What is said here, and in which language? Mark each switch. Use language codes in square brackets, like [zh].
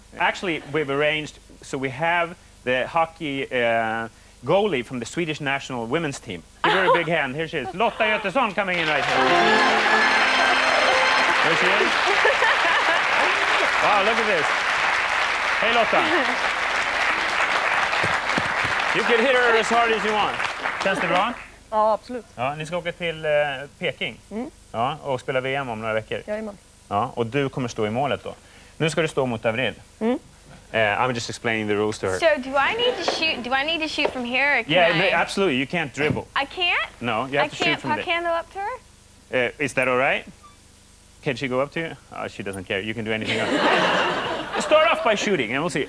[en] Actually, we've arranged, so we have the hockey goalie from the Swedish national women's team. Give her a big hand. Here she is. Lotta Göteson coming in right here. There she is. Wow, look at this. Hey, Lotta. You can hit her as hard as you want. [sv] Känns det bra? Ja, absolut. Ja, ni ska åka till Peking. Mm. Ja, och spela VM om några veckor. Jajamän. Ja, och du kommer stå i målet då. Nu ska du stå mot Avril. Mm. [en] I'm just explaining the rules to her. So do I need to shoot from here? Or can absolutely. You can't dribble. I can't. No, you have to shoot from there. I can't puck handle up to her. Is that all right? Can she go up to you? Oh, she doesn't care. You can do anything else. Start off by shooting, and we'll see.